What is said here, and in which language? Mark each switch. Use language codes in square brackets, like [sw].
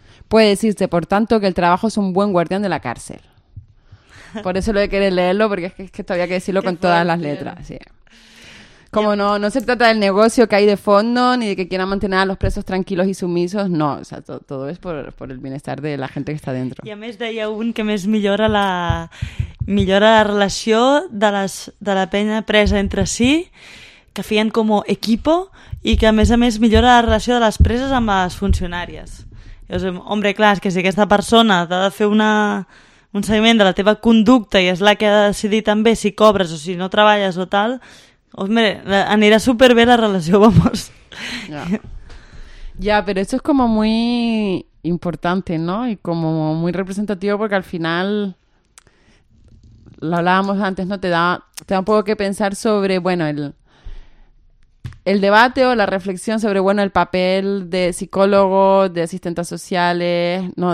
[es] Puede decirse, por tanto, que el trabajo es un buen guardián de la cárcel. Por eso lo de querer leerlo, porque es que todavía hay que decirlo con todas las letras, sí. Como no se trata del negocio que hay de fondo, ni de que quieran mantener a los presos tranquilos y sumisos, no, o sea, todo es por el bienestar de la gente que está dentro. [ca] I a més deia un que més millora la relació de la penya presa entre si, que feien com a equipo, i que a més millora la relació de les preses amb les funcionàries. Llavors, hombre, clar, és que si aquesta persona t'ha de fer un seguiment de la teva conducta i és la que ha de decidir també si cobres o si no treballes o tal... Hombre, anirà superbé la relació, vamos. [es] Ya, pero esto es como muy importante, ¿no? Y como muy representativo porque al final, lo hablábamos antes, ¿no? Te da un poco que pensar sobre, bueno, el debate o la reflexión sobre, bueno, el papel de psicólogos, de asistentes sociales, ¿no?